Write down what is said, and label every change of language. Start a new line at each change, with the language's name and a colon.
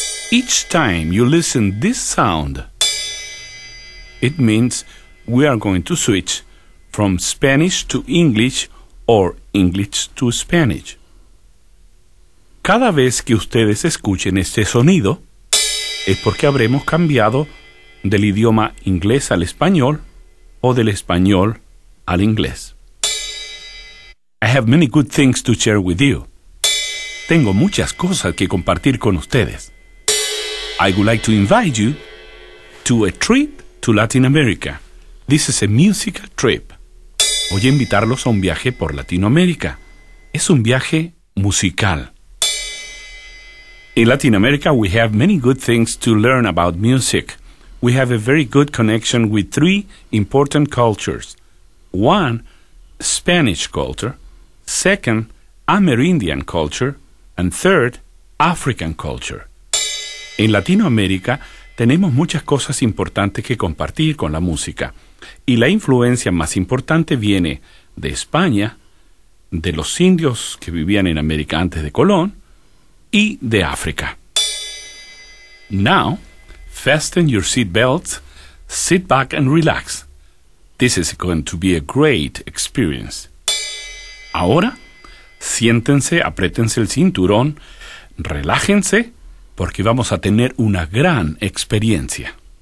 English: Each time you listen this sound, it means we are going to switch from Spanish to English or English to Spanish.
Spanish: Cada vez que ustedes escuchen este sonido, es porque habremos cambiado del idioma inglés al español o del español al inglés.
English: I have many good things to share with you.
Spanish: Tengo muchas cosas que compartir con ustedes.
English: I would like to invite you to a trip to Latin America. This is a musical trip.
Spanish: Voy a invitarlos a un viaje por Latinoamérica. Es un viaje musical.
English: In Latin America, we have many good things to learn about music. We have a very good connection with three important cultures. One, Spanish culture. Second, Amerindian culture. And third, African culture.
Spanish: En Latinoamérica tenemos muchas cosas importantes que compartir con la música. Y la influencia más importante viene de España, de los indios que vivían en América antes de Colón, y de África.
English: Now, fasten your seat belts, sit back and relax. This is going to be a great experience.
Spanish: Ahora, siéntense, apriétense el cinturón, relájense, porque vamos a tener una gran experiencia.